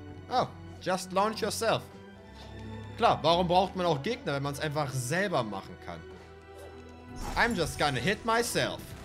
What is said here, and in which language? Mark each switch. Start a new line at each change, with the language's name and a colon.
English: Oh, just launch yourself.
German: Klar, warum braucht man auch Gegner, wenn man es einfach selber machen kann?
English: I'm just gonna hit myself.